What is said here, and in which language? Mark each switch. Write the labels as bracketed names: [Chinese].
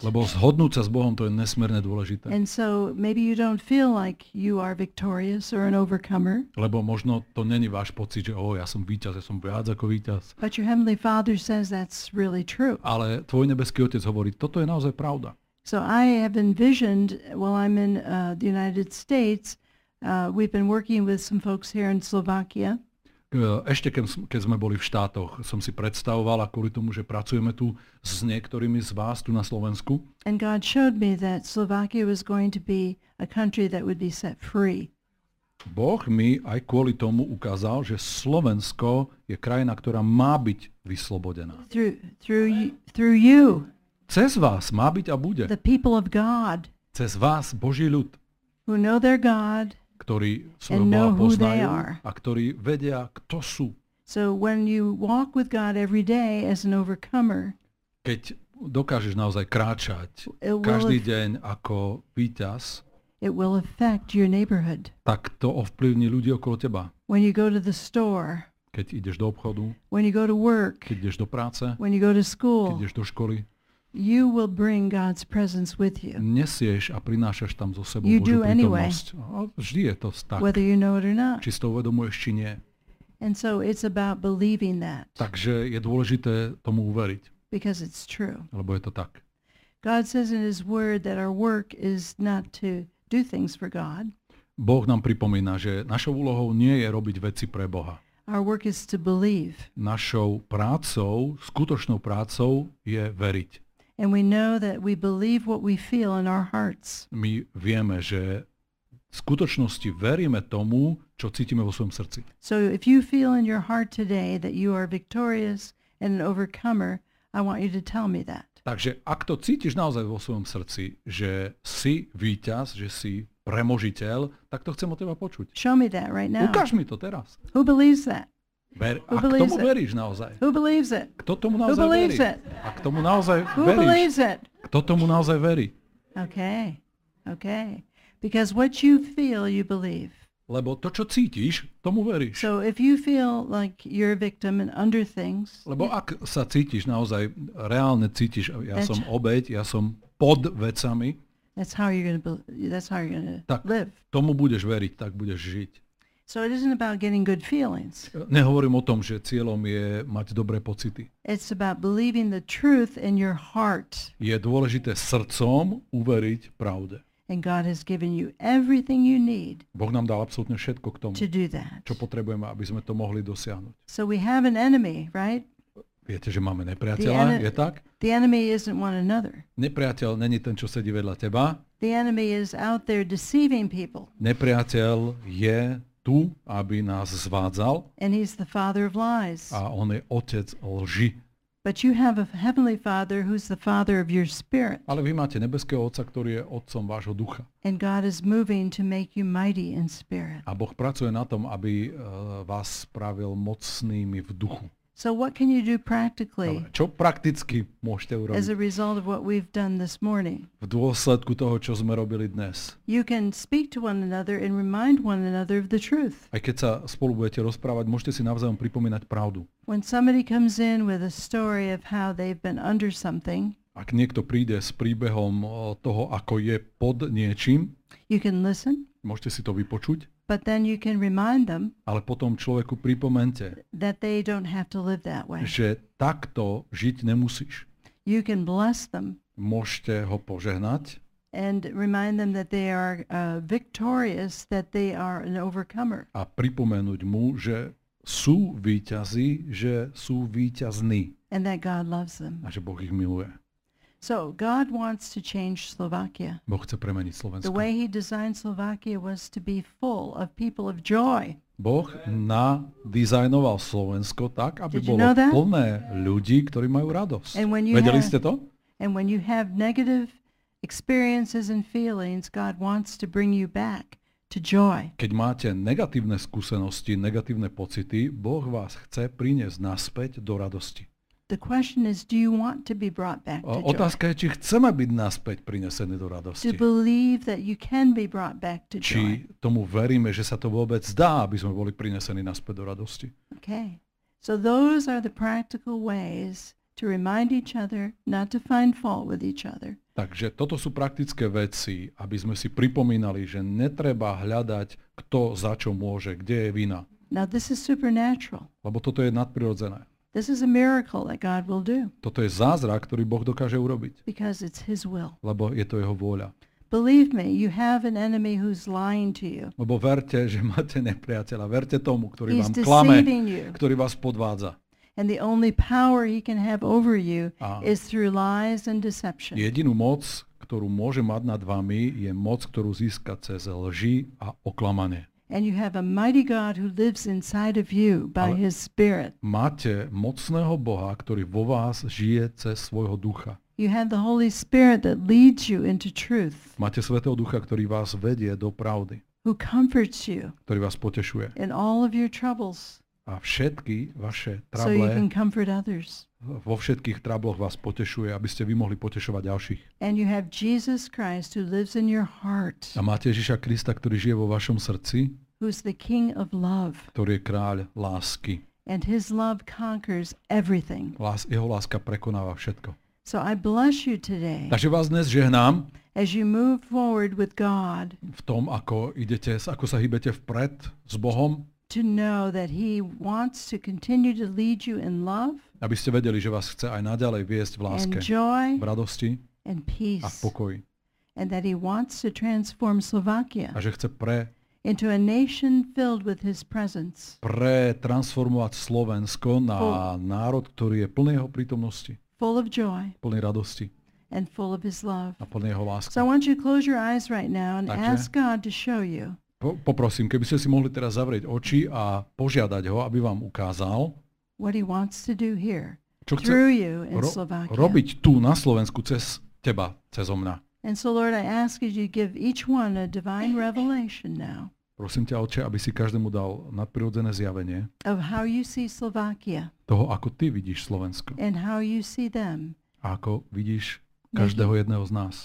[Slovak] Lebo zhodnúť sa s Bohom, to je nesmierne dôležité. [English] And so maybe you don't feel like you are victorious or an overcomer. [Slovak] Lebo možno to není váš pocit, že ja som víťaz, ja som viac ako víťaz. [English] But your heavenly Father says that's really true. [Slovak] Ale tvoj nebeský Otec hovorí, toto je naozaj pravda. [English] So I have envisioned while I'm in the United States, we've been working with some folks here in Slovakia. [Slovak] Ešte keď sme boli v štátoch, som si predstavoval, a kvôli tomu, že pracujeme tu s niektorými z vás tu na Slovensku. [English] And God showed me that Slovakia was going to be a country that would be set free. [Slovak] Boh mi aj kvôli tomu ukázal, že Slovensko je krajina, ktorá má byť vyslobodená. [English] Through you. [Slovak] Cez vás má byť a bude. [English] The people of God. [Slovak] Cez vás, Boží ľud. [English] Who know their God. [Slovak] Ktorí svojho Boha poznajú a ktorí vedia, kto sú. [English] So when you walk with God every day as an overcomer, [Slovak] keď dokážeš naozaj kráčať každý deň ako víťaz, [English] it will affect your neighborhood. [Slovak] Tak to ovplyvní ľudí okolo teba. [English] When you go to the store, [Slovak] keď ideš do obchodu, [English] when you go to work, [Slovak] keď ideš do práce, [English] when you go to school, [Slovak] keď ideš do školy, [English] you will bring God's presence with you. [Slovak] Nesieš a prinášaš tam zo sebou Božiu prítomnosť. [English] Anyway, [Slovak] vždy je to tak. [English] Whether you know it or not. [Slovak] Či si to uvedomuješ, či nie. [English] And so it's about believing that. [Slovak] Takže je dôležité tomu uveriť. [English] Because it's true. [Slovak] Lebo je to tak. [English] God says in his word that our work is not to do things for God. [Slovak] Boh nám pripomína, že našou úlohou nie je robiť veci pre Boha. [English] Our work is to believe. [Slovak] Našou prácou, skutočnou prácou je veriť. [English] And we know that we believe what we feel in our hearts. [Slovak] My vieme, že v skutočnosti veríme tomu, čo cítime vo svojom srdci. [English] So if you feel in your heart today that you are victorious and an overcomer, I want you to tell me that. [Slovak] Takže ak to cítiš naozaj vo svojom srdci, že si víťaz, že si premožiteľ, tak to chcem od teba počuť. [English] Show me that right now. [Slovak] Ukáž mi to teraz. [English] Who believes that? Who believes it? [Slovak] Veríš naozaj? [English] Who believes it? [Slovak] Kto tomu naozaj verí? [English] Who believes it? [Slovak] A kto tomu naozaj veríš? [English] Who believes it? [Slovak] Kto tomu naozaj verí? [English] Okay. Okay. Because what you feel, you believe. [Slovak] Lebo to, čo cítiš, tomu veríš. [English] So if you feel like you're a victim and under things. [Slovak] Lebo ak sa cítiš naozaj, reálne cítiš, ja som obeť, ja som pod vecami. [English] That's how you're gonna live. [Slovak] Tomu budeš veriť, tak budeš žiť. [English] So it isn't about getting good feelings. [Slovak] Nehovorím o tom, že cieľom je mať dobré pocity. [English] It's about believing the truth in your heart. [Slovak] Je dôležité srdcom uveriť pravde. [English] And God has given you everything you need. [Slovak] Boh nám dal absolútne všetko k tomu. [English] To do that. [Slovak] Čo potrebujeme, aby sme to mohli dosiahnuť. [English] So we have an enemy, right? [Slovak] Viete, že máme nepriateľa, je tak? [English] The enemy isn't one another. [Slovak] Nepriateľ není ten, čo sedí vedľa teba. [English] The enemy is out there deceiving people. [Slovak] Nepriateľ je tu, aby nás zvádzal. [English] And he's the father of lies. [Slovak] A on je otec lži. [English] But you have a heavenly father who's the father of your spirit. [Slovak] Ale vy máte nebeského otca, ktorý je otcom vášho ducha. [English] And God is moving to make you mighty in spirit. [Slovak] A Boh pracuje na tom, aby vás spravil mocnými v duchu. [English] So what can you do practically? [Slovak] Ale čo prakticky môžete urobiť? [English] As a result of what we've done this morning. [Slovak] V dôsledku toho, čo sme robili dnes. [English] You can speak to one another and remind one another of the truth. [Slovak] Aj keď sa spolu budete rozprávať, môžete si navzájom pripomínať pravdu. [English] When somebody comes in with a story of how they've been under something. [Slovak] Ak niekto príde s príbehom toho, ako je pod niečím. [English] You can listen. [Slovak] Môžete si to vypočuť. [English] But then you can remind them. [Slovak] Ale potom človeku pripomente. [English] That they don't have to live that way. [Slovak] Že takto žiť nemusíš. [English] You can bless them. [Slovak] Môžete ho požehnať. [English] And remind them that they are victorious, that they are an overcomer. [Slovak] A pripomenúť mu, že sú víťazi, že sú víťazní. [English] And that God loves them. [Slovak] A že Boh ich miluje. [English] So God wants to change Slovakia. [Slovak] Boh chce premeniť Slovensko. [English] The way he designed Slovakia was to be full of people of joy. [Slovak] Boh nadizajnoval Slovensko tak, aby bolo plné ľudí, ktorí majú radosť. Vedeli ste to? [English] And when you have negative experiences and feelings, God wants to bring you back to joy. [Slovak] Keď máte negatívne skúsenosti, negatívne pocity, Boh vás chce priniesť naspäť do radosti. [English] The question is, do you want to be brought back to joy? [Slovak] Otázka je, či chceme byť naspäť prinesení do radosti. [English] Do you believe that you can be brought back to joy? [Slovak] Či tomu veríme, že sa to vôbec dá, aby sme boli prinesení naspäť do radosti? [English] Okay. So those are the practical ways to remind each other, not to find fault with each other. [Slovak] Takže toto sú praktické veci, aby sme si pripomínali, že netreba hľadať, kto za čo môže, kde je vina. [English] Now this is supernatural. [Slovak] Lebo toto je nadprirodzené. [English] This is a miracle that God will do. [Slovak] Toto je zázrak, ktorý Boh dokáže urobiť. [English] Because it's his will. [Slovak] Lebo je to jeho vôľa. [English] Believe me, you have an enemy who's lying to you. [Slovak] Lebo verte, že máte nepriateľa. Verte tomu, ktorý [English] He's [Slovak] vám klame, [English] deceiving you. [Slovak] Ktorý vás podvádza. [English] And the only power he can have over you is through lies and deception. [Slovak] Jedinú moc, ktorú môže mať nad vami, je moc, ktorú získa cez lži a oklamanie. [English] And you have a mighty God who lives inside of you by his spirit. [Slovak] Máte mocného Boha, ktorý vo vás žije cez svojho ducha. [English] You have the Holy Spirit that leads you into truth. [Slovak] Máte svätého ducha, ktorý vás vedie do pravdy. [English] Who comforts you. [Slovak] Ktorý vás potešuje. [English] In all of your troubles. [Slovak] A všetky vaše trable. [English] So you can comfort others. [Slovak] Vo všetkých trabloch vás potešuje, aby ste vy mohli potešovať ďalších. [English] And you have Jesus Christ who lives in your heart. [Slovak] A máte Ježiša Krista, ktorý žije vo vašom srdci. [English] Who's the king of love. [Slovak] Ktorý je kráľ lásky. [English] And his love conquers everything. [Slovak] Jeho láska prekonáva všetko. [English] So I bless you today. [Slovak] Takže vás dnes žehnám. [English] As you move forward with God. [Slovak] V tom, ako idete, ako sa hýbete vpred s Bohom. [English] To know that he wants to continue to lead you in love. [Slovak] Aby ste vedeli, že vás chce aj naďalej viesť v láske, [English] and joy, [Slovak] v radosti [English] and peace, [Slovak] a v pokoji. [English] And that he wants to transform Slovakia. [Slovak] A že chce [English] into a nation filled with his presence. [Slovak] Pre transformovať Slovensko na národ, ktorý je plný jeho prítomnosti. [English] Full of joy. [Slovak] Plný radosti. [English] And full of his love. [Slovak] A plný jeho lásky. [English] So I want you to close your eyes right now and ask God to show you. [Slovak] Poprosím, keby ste si mohli teraz zavrieť oči a požiadať ho, aby vám ukázal, [English] what he wants to do here. [Slovak] čo chce robiť tu na Slovensku cez teba, cez mňa. [English] And so Lord, I ask you to give each one a divine revelation now. [Slovak] Prosím ťa, Otče, aby si každému dal nadprirodzené zjavenie [English] of how you see Slovakia. [Slovak] Toho, ako ty vidíš Slovensko. [English] And how you see them. [Slovak] A ako vidíš každého jedného z nás.